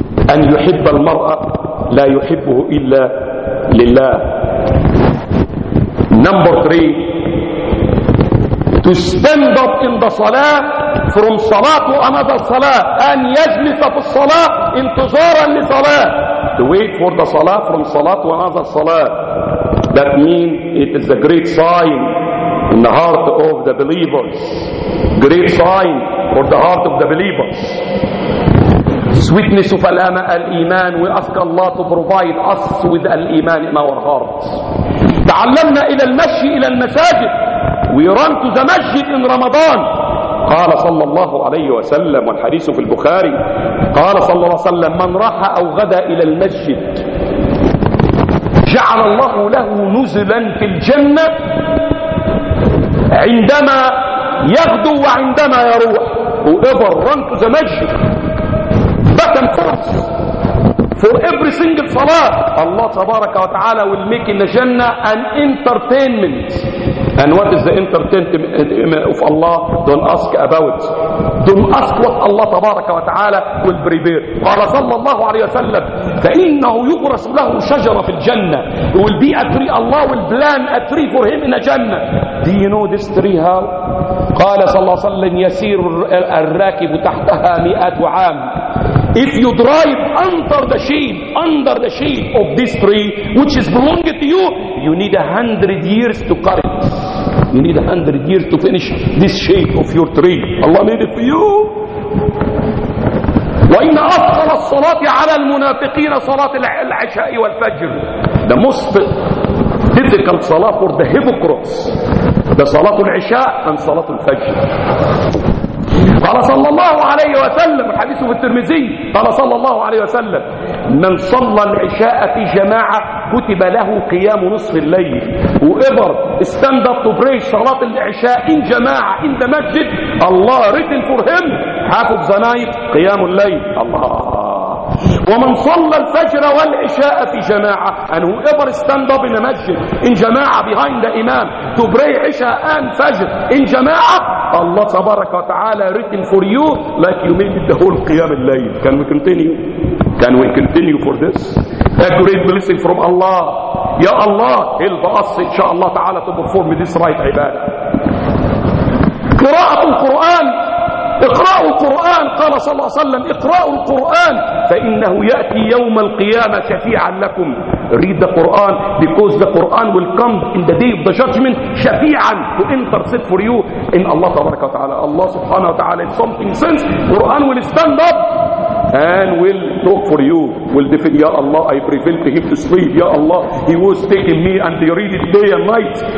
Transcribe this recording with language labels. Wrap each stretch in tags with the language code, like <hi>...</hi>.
<ar>أن يحب المرأة لا يحبه إلا لله.</ar> <en>Number three. To stand up in the salah from salah to another salah and</en> <ar>يجلس في الصلاة انتظارا لصلاة.</ar> <en>To wait for the salah from salah to another salah. That means it is a great sign in the heart of the believers. Great sign for the heart of the believers. Sweetness of al-Iman. We ask Allah to provide us with al-Iman in our hearts.</en> <ar>تعلمنا إلى المشي إلى المساجد.</ar> <en>We run to the masjid in Ramadan.</en> <ar>قال صلى الله عليه وسلم والحديث في البخاري قال صلى الله عليه وسلم من راح أو غدا إلى المسجد جعل الله له نزلا في الجنة عندما يغدو وعندما يروح.</ar> <en>Whoever run to the masjid back and forth for every single salah, Allah</en> <ar>تبارك وتعالى</ar> <en>will make in the Jannah an entertainment. And what is the entertainment of Allah? Don't ask about. Don't ask what Allah</en> <ar>تبارك وتعالى</ar> <en>will prepare.</en> <ar>قال صلى الله عليه وسلم فإنه يغرس له شجرة في الجنة.</ar> <en>It will be a tree. Allah will plant a tree for him in a Jannah. Do you know this tree how?</en> <ar>قال صلى الله عليه وسلم يسير الراكب تحتها مئات عام.</ar> <en>If you drive under the shade of this tree, which is belonging to you, you need 100 years to cut it. You need 100 years to finish this shade of your tree. Allah made it for you.</en> <ar>وإن أفضل الصلاة على المنافقين صلاة العشاء والفجر.</ar> <en>The most difficult salah for the hypocrites, the</en> <ar>صلاة العشاء</ar> <en>and</en> <ar>صلاة الفجر. قال صلى الله عليه وسلم الحديث في الترمذي قال صلى الله عليه وسلم من صلى العشاء في جماعة كتب له قيام نصف الليل.</ar> <en>Whoever stand up to pray</en> <ar>صلاة العشاء</ar> <en>in جماعة in the masjid, Allah written for him half of the night</en> <ar>قيام الليل.</ar> <en>Allah.</en> <ar>ومن صلى الفجر والعشاء في جماعة.</ar> <en>And whoever stand up in a masjid in جماعة behind the imam to pray عشاء and فجر in جماعة, Allah</en> <ar>تبارك وتعالى</ar> <en>written for you like you made the whole</en> <ar>قيام الليل.</ar> <en>Can we continue? Can we continue for this? A great blessing from Allah. Ya Allah, help us</en> <ar>إن شاء الله تعالى</ar> <en>to perform this right عبادة.</en> <ar>قراءة القرآن. اقرأوا القرآن. قال صلى الله عليه وسلم اقرأوا القرآن فإنه يأتي يوم القيامة شفيعا لكم.</ar> <en>Read the Quran because the Quran will come in the day of the judgment شفيعا to intercede for you in Allah</en> <ar>تبارك وتعالى.</ar> <en>Allah</en> <ar>سبحانه وتعالى</ar> <en>in something sense Quran will stand up and will talk for you, will defend. Ya Allah, I prevailed him to sleep. Ya Allah, he was taking me and he read it day and night.</en>